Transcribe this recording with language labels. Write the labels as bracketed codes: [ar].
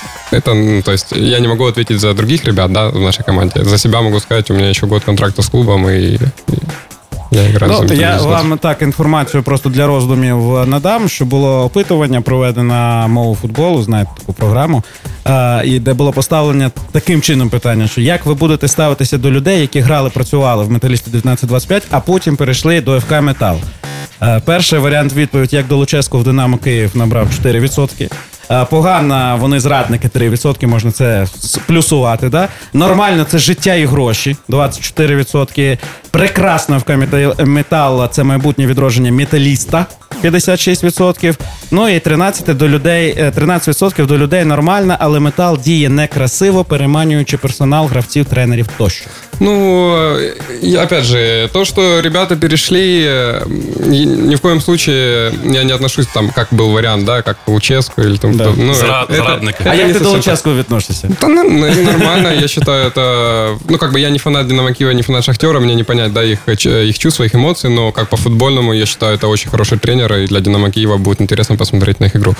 [ru] Это, ну, то есть, я не могу ответить за других ребят, да, в нашей команде. За себя могу сказать, у меня еще год контракта с клубом, и я играю. [uk] Ну, я вам так інформацію просто для роздумів надам, що було опитування проведено «Мову футболу», знаєте, таку програму, і де було поставлення таким чином питання, що як ви будете ставитися до людей, які грали, працювали в «Металісті 1925», а потім перейшли до «ФК Метал». Перший варіант відповідь, як до Луческу в «Динамо Київ» набрав 4%. Погано, вони зрадники, 3%, можна це сплюсувати, да? Нормально, це життя і гроші, 24%. Прекрасно, в Метал, це майбутнє відродження металіста, 56%. Ну і 13% до людей нормально, але Метал діє некрасиво, переманюючи персонал, гравців, тренерів тощо. [ru] Ну, опять же, то, что ребята перешли, ни в коем случае я не отношусь там, как был вариант, да, как Луческу или там. Да. [uk] Ну, зрадника. [ru] А как ты до Луческу относишься? Да, нормально, я считаю, это, ну, как бы я не фанат Динамо Киева, не фанат Шахтера, мне не понять, да, их чувства, их эмоции, но как по футбольному, я считаю, это очень хороший тренер, и для Динамо Киева будет интересно посмотреть на их игру.